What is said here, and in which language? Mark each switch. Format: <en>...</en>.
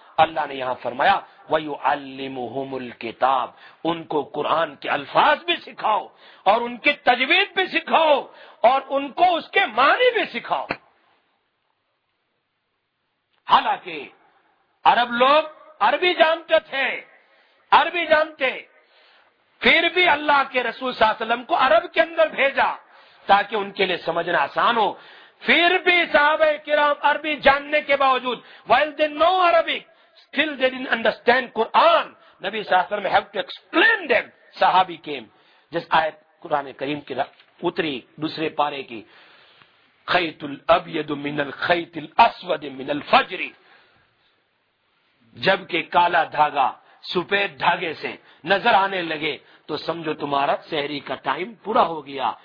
<ur>اللہ نے یہاں فرمایا</ur> <ar>وَيُعَلِّمُهُمُ الْكِتَابَ,</ar> <ur>ان کو قرآن کے الفاظ بھی سکھاؤ اور ان کی تجوید بھی سکھاؤ اور ان کو اس کے معنی بھی سکھاؤ. حالانکہ عرب لوگ عربی جانتے تھے, عربی جانتے, پھر بھی اللہ کے رسول صلی اللہ علیہ وسلم کو عرب کے اندر بھیجا تاکہ ان کے لیے سمجھنا آسان ہو. پھر بھی صحابہ کرام عربی جاننے کے باوجود</ur> <en>while they know Arabic still they didn't understand Quran.</en> <ur>نبی صلی اللہ علیہ وسلم</ur> <en>have to explain them.</en> <ur>صحابی کیم جس آیت قرآن کریم کی اتری دوسرے پارے کی,</ur> <ar>خیت الابید من الخیت الاسود من الفجر,</ar> <ur>جبکہ کالا دھاگا سفید دھاگے سے نظر آنے لگے تو سمجھو تمہارا سحری کا ٹائم پورا ہو گیا.</ur>